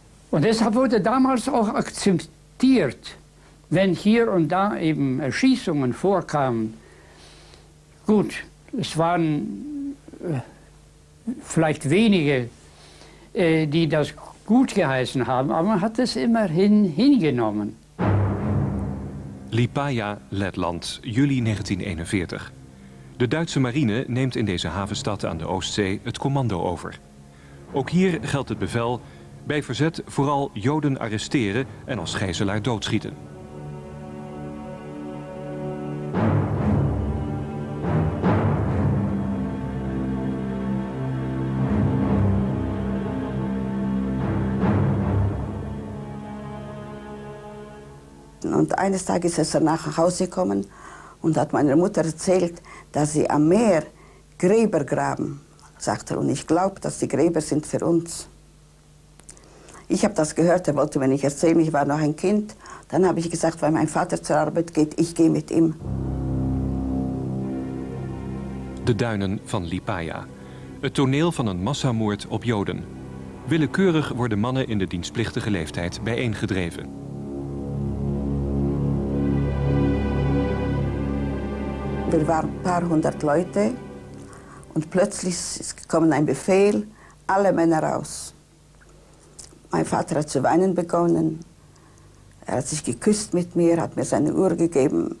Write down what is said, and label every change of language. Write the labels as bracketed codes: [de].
[de] Und deshalb wurde damals auch akzeptiert, wenn hier und da eben Erschießungen vorkamen, gut, es waren vielleicht wenige, die das gut geheißen haben, aber man hat es immerhin hingenommen. [nl] Lipaja, Letland, juli 1941. De Duitse marine neemt in deze havenstad aan de Oostzee het commando over. Ook hier geldt het bevel, bij verzet vooral Joden arresteren en als gijzelaar doodschieten. [de] Und eines Tages ist er nach Hause gekommen und hat meiner Mutter erzählt, dass sie am Meer Gräber graben, sagt er. Und ich glaube, dass die Gräber sind für uns. Ich habe das gehört, er wollte mir nicht erzählen, ich war noch ein Kind. Dann habe ich gesagt, weil mein Vater zur Arbeit geht, ich gehe mit ihm. [nl] De duinen van Lipaja. Het toneel van een massamoord op Joden. Willekeurig worden mannen in de dienstplichtige leeftijd bijeengedreven. [de] Wir waren ein paar hundert Leute und plötzlich kam ein Befehl, alle Männer raus. Mein Vater hat zu weinen begonnen, er hat sich geküsst mit mir, hat mir seine Uhr gegeben.